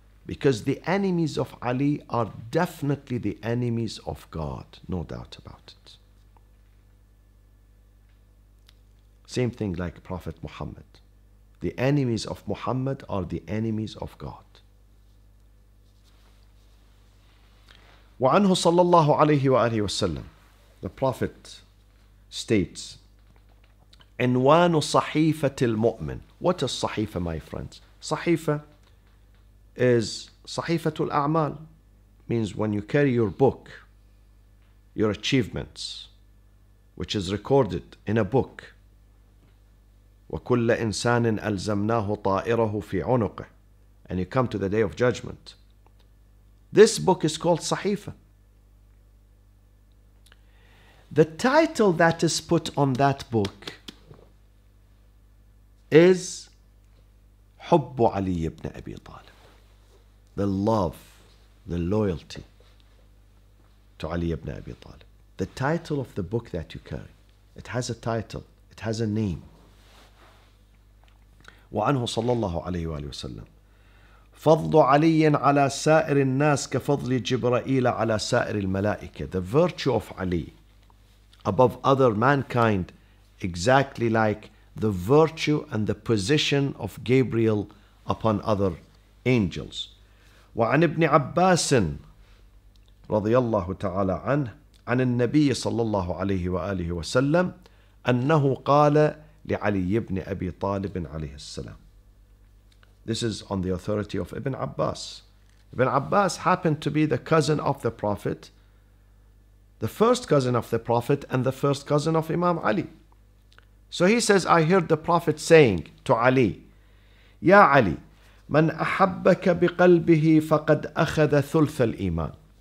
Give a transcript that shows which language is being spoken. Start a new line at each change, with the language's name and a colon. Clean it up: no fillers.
English: Because the enemies of Ali are definitely the enemies of God, no doubt about it. Same thing like Prophet Muhammad. The enemies of Muhammad are the enemies of God.
Arabic: وعنه صلى الله عليه وآله وسلم,
English: the Prophet states,
Arabic: عنوان صحيفة المؤمن.
English: What is صحيفة, my friends? صحيفة is Sahifatul A'mal, means when you carry your book, your achievements, which is recorded in a book.
Arabic: وَكُلَّ إِنسَانٍ أَلْزَمْنَاهُ طَائِرَهُ فِي عُنُقِهِ.
English: And you come to the day of judgment. This book is called Sahifa. The title that is put on that book
Arabic: is حب علي بن أبي طالب.
English: The love, the loyalty to Ali ibn Abi Talib. The title of the book that you carry, it has a title, it has a name.
Arabic: وعنه صلى الله عليه وآله وسلم فضل علي على سائر الناس كفضل جبرائيل على سائر الملائكة.
English: The virtue of Ali above other mankind, exactly like the virtue and the position of Gabriel upon other angels.
Arabic: وعن ابن عباس رضي الله تعالى عنه عن النبي صلى الله عليه وآله وسلم أنه قال لعلي بن أبي طالب عليه السلام.
English: This is on the authority of Ibn Abbas. Ibn Abbas happened to be the cousin of the Prophet, the first cousin of the Prophet, and the first cousin of Imam Ali. So he says, I heard the Prophet saying to Ali, Ya Ali,
Arabic: من أحبك بقلبه فقد أخذ ثلث الإيمان.